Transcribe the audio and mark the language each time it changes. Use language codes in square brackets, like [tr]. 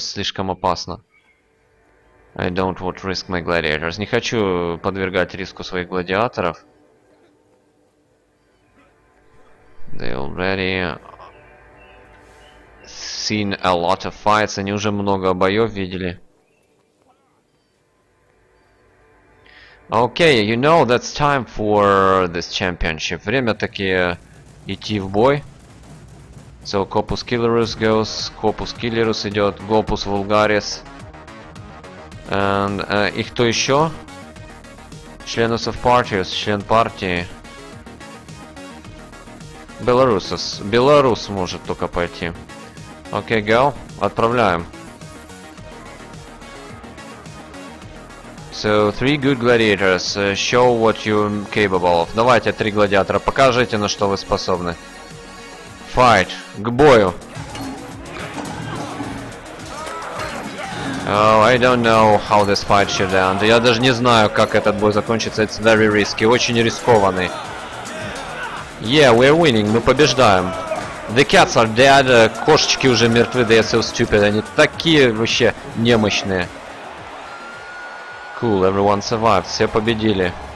[ru] Слишком опасно. [en] I don't want to risk my gladiators. [ru] Не хочу подвергать риску своих гладиаторов. [en] They already seen a lot of fights. [ru] Они уже много боев видели. [en] Okay, you know that's time for this championship. [ru] Время таки идти в бой. [en] So Copus Killerus goes. [ru] Copus Killerus идет. Gopus Vulgaris. [en] And [ru] и кто еще? Членов [en] of parties, [ru] член партии. Белорусос. Белорус может только пойти. Окей, [en] okay, go. [ru] Отправляем. [en] So, three good gladiators. Show what you capable of. [ru] Давайте, три гладиатора, покажите, на что вы способны. [en] Fight. [ru] К бою. [en] Oh, I don't know how this fight should end. [ru] Я даже не знаю, как этот бой закончится. [en] It's very risky. [ru] Очень рискованный. [en] Yeah, we're winning. [ru] Мы побеждаем. [en] The cats are dead. [ru] Кошечки уже мертвы. [en] They are so stupid. [ru] Они такие вообще немощные. [en] Cool, everyone survived. [ru] Все победили.